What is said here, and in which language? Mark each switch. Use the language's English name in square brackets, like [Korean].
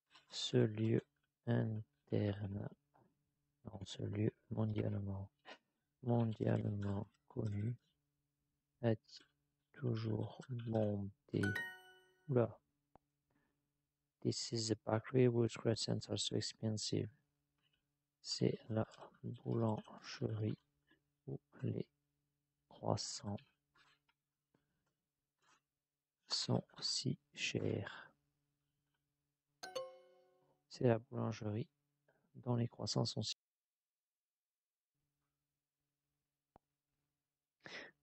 [French] Ce lieu interne, non, ce lieu mondialement connu est toujours bondé. Oula. [English] This is a bakery whose croissants are so expensive. [French] C'est la boulangerie où les croissants sont si chers. C'est la boulangerie dont les croissants sont si chers.